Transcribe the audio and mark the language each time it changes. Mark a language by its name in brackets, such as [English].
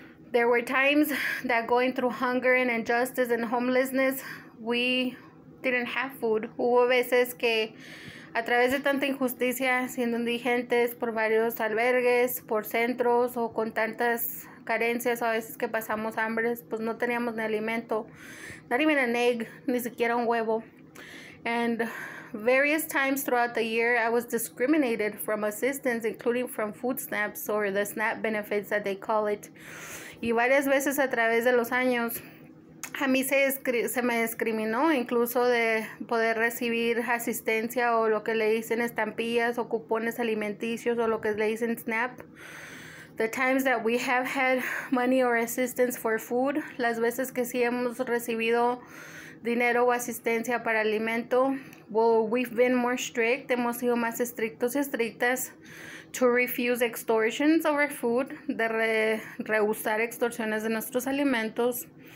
[English] There were times that going through hunger and injustice and homelessness, we didn't have food. [Spanish] Hubo veces que a través de tanta injusticia, siendo indigentes por varios albergues, por centros o con tantas carencias, o a veces que pasamos hambre, pues no teníamos ni alimento, [English] not even an egg, [Spanish] ni siquiera un huevo. [English] And various times throughout the year, I was discriminated from assistance, including from food stamps or the SNAP benefits that they call it. [Spanish] Y varias veces a través de los años, a mí se me discriminó incluso de poder recibir asistencia o lo que le dicen estampillas o cupones alimenticios o lo que le dicen SNAP. [English] The times that we have had money or assistance for food, [Spanish] las veces que sí hemos recibido dinero o asistencia para alimento, [English] well, we've been more strict, [Spanish] hemos sido más estrictos y estrictas [English] to refuse extortions over food, [Spanish] de rehusar extorsiones de nuestros alimentos.